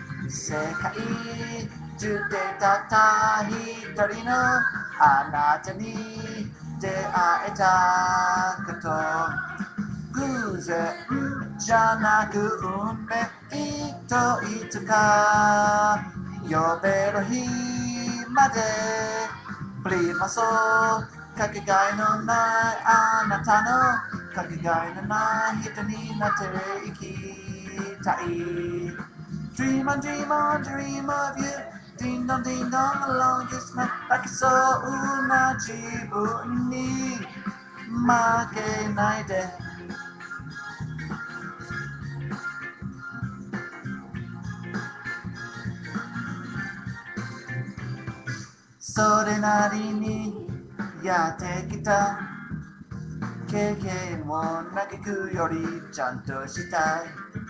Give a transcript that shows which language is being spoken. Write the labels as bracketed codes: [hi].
[ja] 世界中でたった一人のあなたに出会えたこと、偶然じゃなく運命といつか呼べる日まで、プリマソーかけがえのないあなたの、かけがえのない人になっていきたい。 [en] Dream on, dream on, dream of you. Ding dong, ding dong, along your smile. [ja] 泣きそうな自分に負けないで。それなりにやってきた経験を嘆くよりちゃんとしたい。